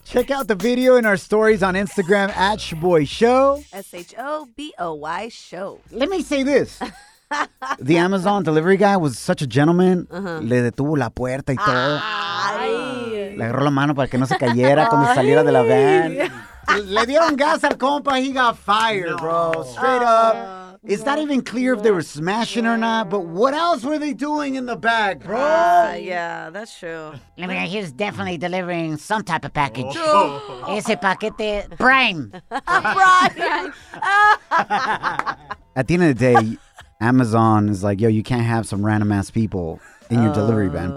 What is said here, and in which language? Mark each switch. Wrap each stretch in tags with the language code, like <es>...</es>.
<en>Check out the video in our stories on Instagram at Shaboy Show. S-H-O-B-O-Y Show. Let me say this. The Amazon delivery guy was such a gentleman. Uh-huh.</en> <es>Le detuvo la puerta y todo. Ay. Le agarró la mano para que no se cayera cuando saliera de la van. Le dieron gas al compa.</es> <en>He got fired, bro. Straight up. Is that even clear if they were smashing or not? But what else were they doing in the back, bro? Yeah, that's true. I mean, he was definitely delivering some type of package. Oh.</en> <es>Ese paquete prime.</es> <en>At the end of the day, Amazon is like, yo, you can't have some random ass people in your delivery van.</en>